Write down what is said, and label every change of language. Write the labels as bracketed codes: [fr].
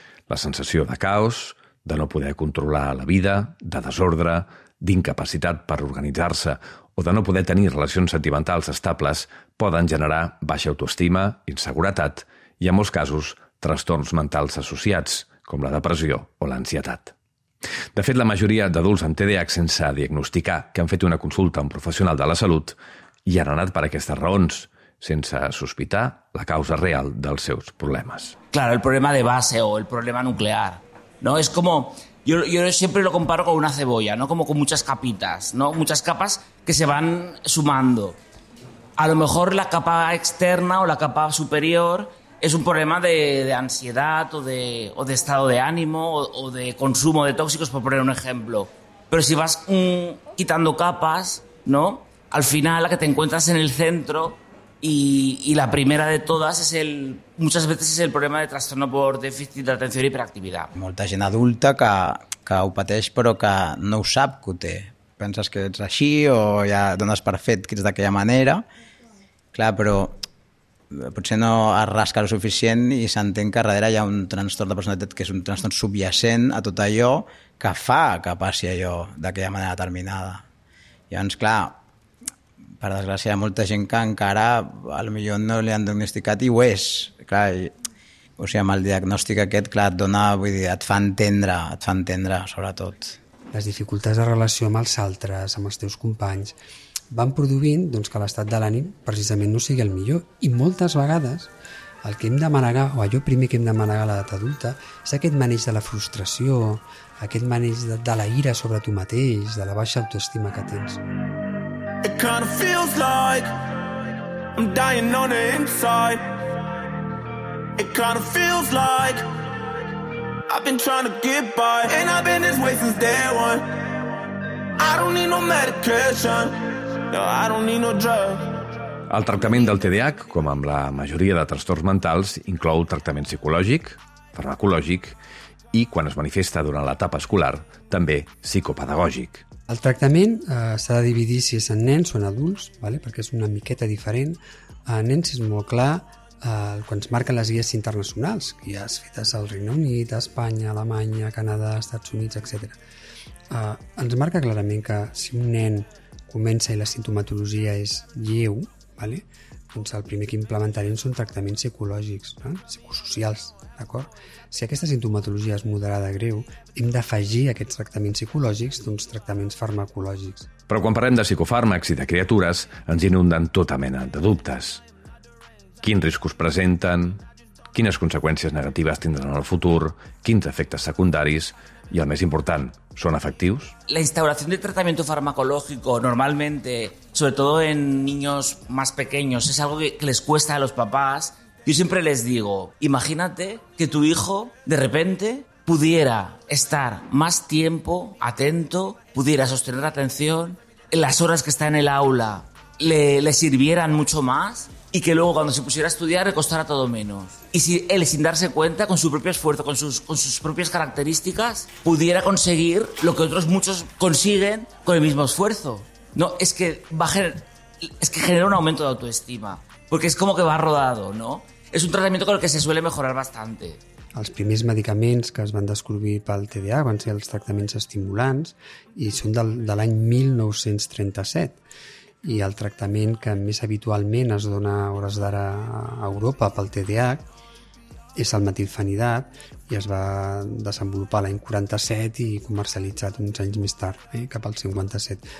[ca] La sensació de caos, de no poder controlar la vida, de desordre, d'incapacitat per organitzar-se o de no poder tenir relacions sentimentals estables poden generar baixa autoestima, inseguretat i, en molts casos, trastorns mentals associats, com la depressió o l'ansietat. De fet, la majoria d'adults amb TDAH sense diagnosticar que han fet una consulta a un professional de la salut hi han anat per aquestes raons, sense sospitar la causa real dels seus problemes. [es] Claro, el problema de base o el problema nuclear, ¿no? Es como... Yo siempre lo comparo con una cebolla, ¿no? Como con muchas capitas, ¿no? Muchas capas que se van sumando. A lo mejor la capa externa o la capa superior es un problema de ansiedad o de estado de ánimo o de consumo de tóxicos, por poner un ejemplo. Pero si vas quitando capas, ¿no? Al final la que te encuentras en el centro y la primera de todas es el... Muchas veces es el problema de trastorno por déficit de atención y hiperactividad. [ca] Molta gent adulta que ho pateix però que no ho sap que ho té. Penses que ets així o ja dones per fet que ets d'aquella manera. Clar, però potser no es rasca el suficient i s'entén que darrere hi ha un trastorn de personalitat que és un trastorn subjacent a tot allò que fa que passi allò d'aquella manera determinada. Llavors, clar, per desgràcia, hi ha molta gent que encara potser no li han diagnosticat i ho és. Clar, i, o sigui, amb el diagnòstic aquest, clar, et dona, vull dir, et fa entendre, sobretot. Les dificultats de relació amb els altres, amb els teus companys, van produint doncs, que l'estat de l'ànim precisament no sigui el millor. I moltes vegades el que hem de manegar, o allò primer que hem de manegar a l'edat adulta, és aquest maneig de la frustració, aquest maneig de la ira sobre tu mateix, de la baixa autoestima que tens. [en] It kind of feels like I'm dying on the inside. It kind of feels like I've been trying to get by. And I've been this way since day one. I don't need no medication. No, I don't need no drug. [ca] El tractament del TDAH, com amb la majoria de trastorns mentals, inclou tractament psicològic, farmacològic i, quan es manifesta durant l'etapa escolar, també psicopedagògic. El tractament s'ha de dividir si és en nens o en adults, vale? Perquè és una miqueta diferent. En nens és molt clar quan es marquen les guies internacionals, guies fetes al Regne Unit, a Espanya, Alemanya, Canadà, Estats Units, etc. Ens marca clarament que si un nen comença i la sintomatologia és lleu, vale? Doncs el primer que implementarem són tractaments psicològics, no? Psicosocials, d'acord? Si aquesta sintomatologia és moderada greu, hem d'afegir aquests tractaments psicològics d'uns tractaments farmacològics. Però quan parlem de psicofàrmacs i de criatures, ens inunden tota mena de dubtes. Quins riscos presenten? Quines conseqüències negatives tindran en el futur? Quins efectes secundaris? I el més important, són efectius? [es] La instauración de tratamiento farmacológico normalmente, sobre todo en niños más pequeños, es algo que les cuesta a los papás. Yo siempre les digo, imagínate que tu hijo de repente pudiera estar más tiempo atento, pudiera sostener la atención, las horas que está en el aula le sirvieran mucho más y que luego cuando se pusiera a estudiar le costara todo menos. Y si él, sin darse cuenta, con su propio esfuerzo, con sus propias características, pudiera conseguir lo que otros muchos consiguen con el mismo esfuerzo. No, es que genera un aumento de autoestima, porque es como que va rodado, ¿no? Es un tratamiento con el que se suele mejorar bastante. [ca] Els primers medicaments que es van descobrir pel TDA van ser els tractaments estimulants i són de l'any 1937. I el tractament que més habitualment es dona a hores d'ara a Europa pel TDAH és el metilfenidat i es va desenvolupar l'any 47 i comercialitzat uns anys més tard, cap al 57.